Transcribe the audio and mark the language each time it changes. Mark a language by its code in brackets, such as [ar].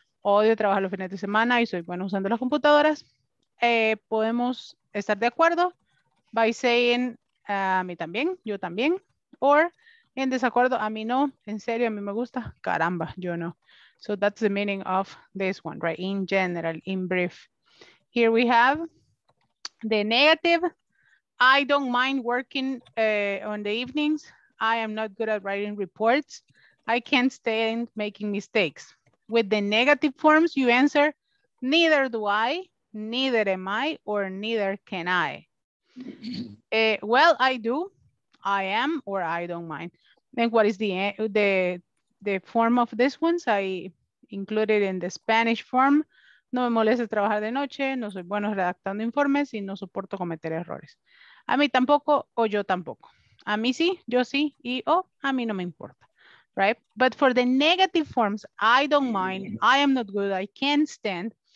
[es] Odio trabajar los fines de semana y soy bueno usando las computadoras. Podemos estar de acuerdo [en] by saying, [es] a mí también, yo también, or en desacuerdo, a mí no, en serio, a mí me gusta, caramba, yo no. [en] So that's the meaning of this one, right? In general, in brief. Here we have the negative. I don't mind working on the evenings. I am not good at writing reports. I can't stand making mistakes. With the negative forms, you answer, neither do I, neither am I, or neither can I. Well, I do, I am, or I don't mind. Then what is the form of this one? So I included in the Spanish form, [es] No me molesta trabajar de noche, no soy bueno redactando informes y no soporto cometer errores. A mí tampoco o yo tampoco. A mí sí, yo sí y o a mí no me importa. [en] Right? But for the negative forms, I don't mind, I am not good, I can't stand.